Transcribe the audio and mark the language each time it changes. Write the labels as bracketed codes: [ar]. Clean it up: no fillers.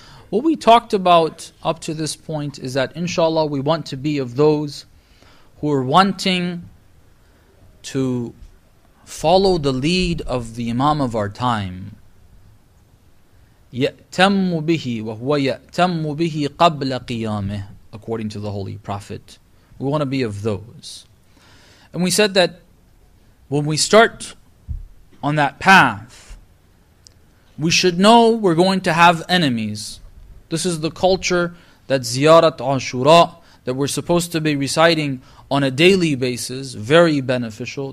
[en] What we talked about up to this point is that inshallah we want to be of those who are wanting to follow the lead of the Imam of our time. [ar] يَأْتَمُّ بِهِ وَهُوَ يَأْتَمُّ بِهِ قَبْلَ قِيَامِهِ, [en] according to the Holy Prophet. We want to be of those. And we said that when we start on that path, we should know we're going to have enemies. This is the culture that Ziyarat Ashura, that we're supposed to be reciting on a daily basis, very beneficial.